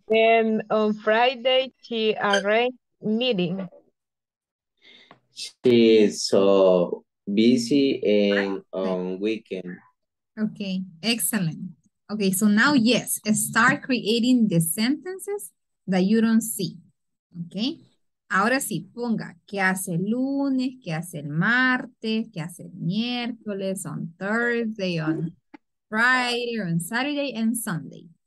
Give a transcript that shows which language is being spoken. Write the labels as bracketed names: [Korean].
[English] And on Friday, she arranged meeting. She is so busy and on weekend. Okay, excellent. Okay, so now, yes, start creating the sentences that you don't see. [Spanish] Okay, ahora sí, ponga, ¿qué hace el lunes? ¿Qué hace el martes? ¿Qué hace el miércoles? [English] On Thursday, on Friday, on Saturday, and Sunday.